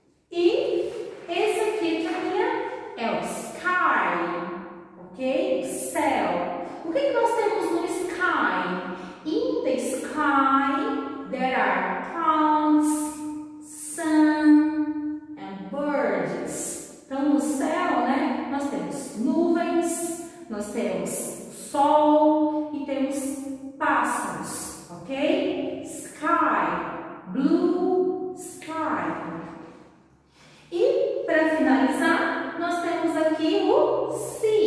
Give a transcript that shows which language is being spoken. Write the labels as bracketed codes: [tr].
[pt] E esse aqui, turminha, é o sky, ok? Céu. O que nós temos no sky? [en] In the sky, there are clouds, sun, and birds. [pt] Então, no céu, né, nós temos nuvens, nós temos sol e temos pássaros, ok? [en] Sky. Blue sky. [pt] E para finalizar, nós temos aqui o sea.